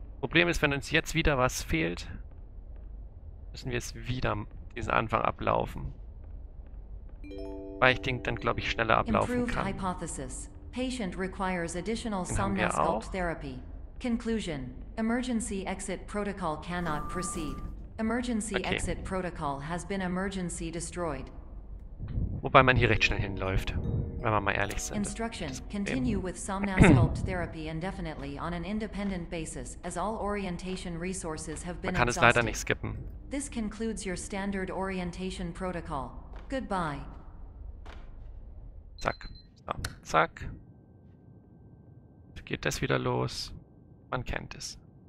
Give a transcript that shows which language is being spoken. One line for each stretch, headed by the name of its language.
German: Problem ist, wenn uns jetzt wieder was fehlt, müssen wir es wieder diesen Anfang ablaufen. Weil ich denke, dann glaube ich schneller ablaufen
English: Improved
German: kann.
English: Hypothesis. Patient requires additional somnasculpt therapy. Conclusion. Emergency exit protocol cannot proceed. Emergency okay. Exit protocol has been emergency destroyed.
German: Wobei man hier recht schnell hinläuft, wenn man mal ehrlich ist.
English: Instruction. Continue with somnasculpt therapy indefinitely on an independent basis as all orientation resources have been exhausted.
German: Man kann es leider nicht skippen.
English: This concludes your standard orientation protocol. Goodbye.
German: Zack. Zack. Geht das wieder los? Man kennt es.